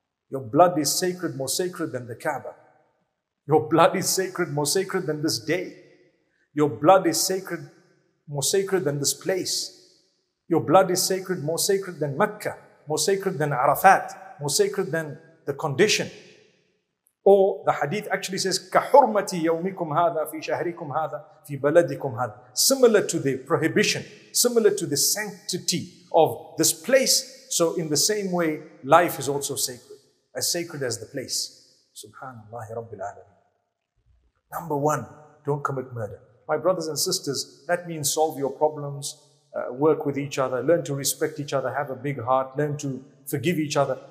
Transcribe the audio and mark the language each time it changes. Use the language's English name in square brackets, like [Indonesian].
[English] Your blood is sacred, more sacred than the Kaaba. Your blood is sacred, more sacred than this day. Your blood is sacred, more sacred than this place. Your blood is sacred, more sacred than Mecca, more sacred than Arafat, more sacred than the condition. Or the hadith actually says, [Arabic] كَحُرْمَةِ يَوْمِكُمْ هَذَا فِي شَهْرِكُمْ هَذَا فِي بَلَدِكُمْ هَذَا. [English] Similar to the prohibition, similar to the sanctity of this place. So in the same way, life is also sacred. As sacred as the place. SubhanAllah Rabbil Alameen. Number one, don't commit murder. My brothers and sisters, that means solve your problems, work with each other, learn to respect each other, have a big heart, learn to forgive each other.